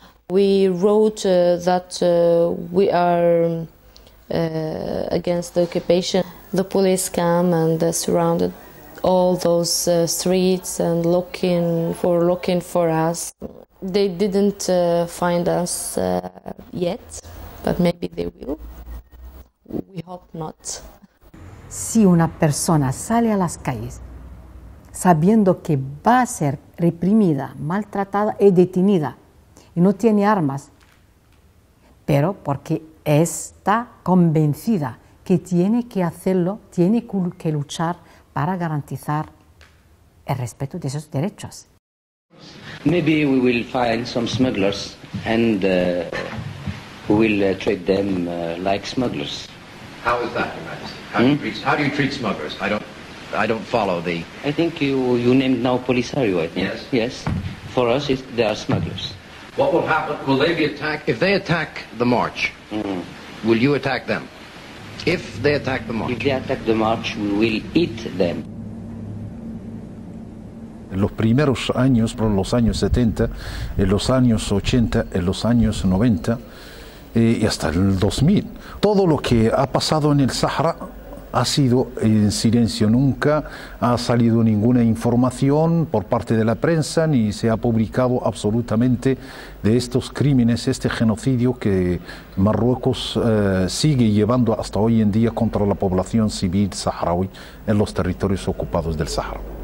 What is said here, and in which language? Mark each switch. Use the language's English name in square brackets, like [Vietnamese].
[English] We wrote that we are against the occupation. The police come and surrounded all those streets and looking for us. They didn't find us yet, but maybe they will. We hope not. [Spanish] Si una persona sale a las calles sabiendo que va a ser reprimida, maltratada y detenida, y no tiene armas, pero porque está convencida que tiene que hacerlo, tiene que luchar para garantizar el respeto de esos derechos. [English] Maybe we will find some smugglers and we will treat them like smugglers. How is that, Your Majesty? How do you treat smugglers? I don't follow the. I think you named now Polisario. I think yes. For us, they are smugglers. What will happen? Will they be attacked? If they attack the march, mm-hmm. will you attack them? If they attack the march. If they attack the march, we will eat them. [Spanish] En los primeros años, por los años 70, en los años 80, en los años 90, y hasta el 2000, todo lo que ha pasado en el Sahara ha sido en silencio, nunca ha salido ninguna información por parte de la prensa ni se ha publicado absolutamente de estos crímenes, este genocidio que Marruecos sigue llevando hasta hoy en día contra la población civil saharaui en los territorios ocupados del Sahara.